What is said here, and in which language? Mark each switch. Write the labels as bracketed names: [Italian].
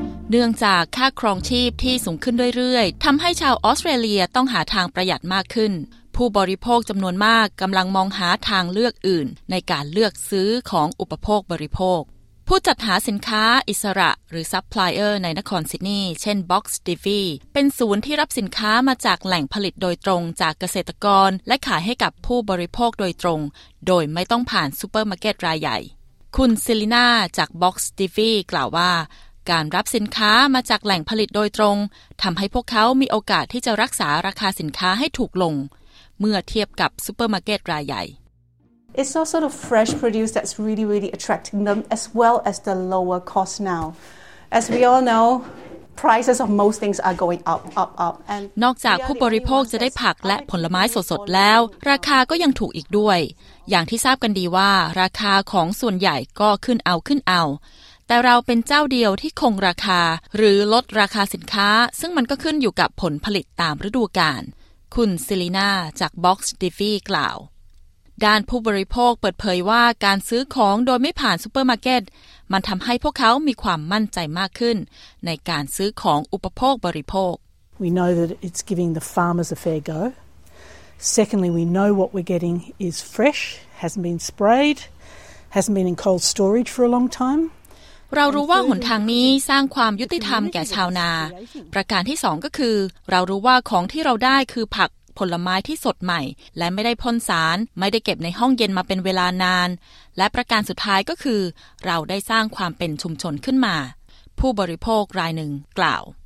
[Thai] เนื่องจากค่าครองชีพที่สูงขึ้นเรื่อยๆทำให้ชาวออสเตรเลียต้องหาทางประหยัดมากขึ้นผู้บริโภคจำนวนมากกำลังมองหาทางเลือกอื่นในการเลือกซื้อของอุปโภคบริโภคผู้จัดหาสินค้าอิสระหรือซัพพลายเออร์ในนครซิดนีย์เช่น Box Divi เป็นศูนย์ที่รับสินค้ามาจากแหล่งผลิตโดยตรงจากเกษตรกรและขายให้กับผู้บริโภคโดยตรงโดยไม่ต้องผ่านซูเปอร์มาร์เก็ตรายใหญ่คุณซิลิน่าจาก Box Divi กล่าวว่า การรับสินค้ามาจากแหล่งผลิตโดยตรงทำให้พวกเขามีโอกาสที่จะรักษาราคาสินค้าให้ถูกลงเมื่อเทียบกับซูเปอร์มาร์เก็ตรายใหญ่ [English] It's all sort of fresh produce that's really, really attracting them, as well as the lower cost now. As we all know, prices of most things are going up, up, up. And [Thai] นอกจากผู้บริโภคจะได้ผักและผลไม้สดๆแล้วราคาก็ยังถูกอีกด้วยอย่างที่ทราบกันดีว่าราคาของส่วนใหญ่ก็ขึ้นเอาขึ้นเอาแต่เราเป็นเจ้าเดียวที่คงราคาหรือลดราคาสินค้าซึ่งมันก็ขึ้นอยู่กับผลผลิตตามฤดูกาลคุณซิลิน่าจาก Box Divi กล่าวด้านผู้บริโภคเปิดเผยว่าการซื้อของโดยไม่ผ่านซูเปอร์มาร์เก็ตมันทำให้พวกเขามีความมั่นใจมากขึ้นในการซื้อของอุปโภคบริโภค [English] We know that it's giving the farmers a fair go. Secondly, we know what we're getting is fresh, hasn't been sprayed, hasn't been in cold storage for a long time. [Thai] เรารู้ว่าหนทางนี้สร้างความยุติธรรมแก่ชาวนาประการที่สองก็คือเรารู้ว่าของที่เราได้คือผักผลไม้ที่สดใหม่และไม่ได้พ่นสารไม่ได้เก็บในห้องเย็นมาเป็นเวลานานและประการสุดท้ายก็คือเราได้สร้างความเป็นชุมชนขึ้นมาผู้บริโภครายหนึ่งกล่าว